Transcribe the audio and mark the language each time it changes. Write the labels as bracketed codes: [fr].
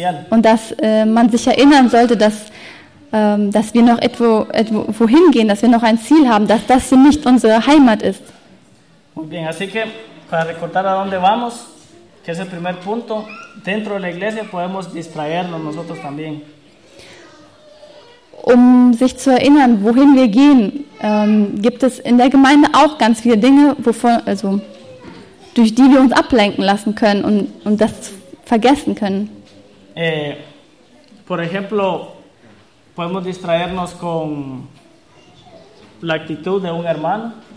[de] Und dass man sich erinnern sollte, dass wir noch etwo hingehen, dass wir noch ein Ziel haben, dass das hier nicht unsere Heimat ist. [es] Muy bien, así que para recordar a dónde vamos, que es el primer punto, dentro de la iglesia podemos distraernos nosotros también. [de] Um sich zu erinnern, wohin wir gehen, gibt es in der Gemeinde auch ganz viele Dinge, durch die wir uns ablenken lassen können und das vergessen können. [es] Por ejemplo, podemos distraernos con la actitud de un hermano.